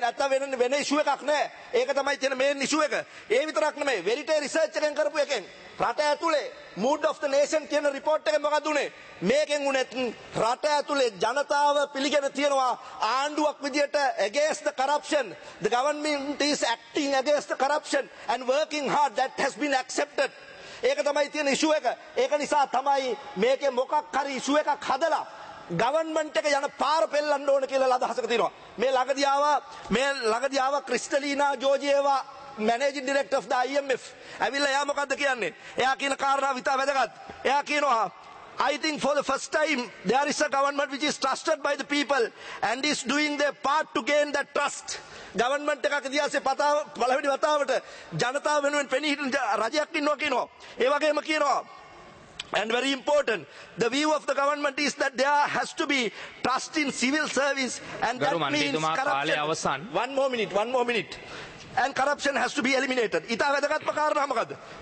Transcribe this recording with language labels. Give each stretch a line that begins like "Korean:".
Sinhala: නැත්තම් වෙන ඉෂු එකක් නැහැ. ඒක තමයි තියෙන මේන් ඉෂු එක. ඒ විතරක් නෙමෙයි, වෙරිටේ රිසර්ච් එකෙන් කරපු එකෙන් රට ඇතුලේ මූඩ් ඔෆ් ද නේෂන් කියන රිපෝර්ට් එකෙන් මොකද උනේ? මේකෙන් උනේ රට ඇතුලේ ජනතාව පිළිගෙන තියනවා ආණ්ඩුවක් විදියට
English: against the corruption. The government is acting against the corruption and working hard. That has been accepted.
Sinhala: ඒක තමයි තියෙන ඉෂු එක. ඒක නිසා තමයි මේකේ මොකක් හරි ඉෂු එකක් හදලා ගවර්න්මන්ට් එක යන පාර පෙල්ලන්න ඕන කියලා අදහසක තියෙනවා. මේ ළඟදී ආවා ක්‍රිස්ටලීනා ජෝජියේවා managing director of the IMF ඇවිල්ලා එයා මොකද්ද කියන්නේ එයා කියන කාරණාව ඉතා වැදගත් එයා කියනවා
English: I think for the first time there is a government which is trusted by the people and is doing their part to gain that trust.
Sinhala: Government එකක ඉතිහාසයේ පතව පළවෙනි වතාවට ජනතාව වෙනුවෙන් පෙනී සිටින රජයක් ඉන්නවා කියනවා. ඒ වගේම කියනවා
English: and very important the view of the government is that there has to be trust in civil service and that means corruption. One more minute. And corruption has to be eliminated.
Sinhala: ඉතා වැදගත්ම කාරණා මොකද්ද?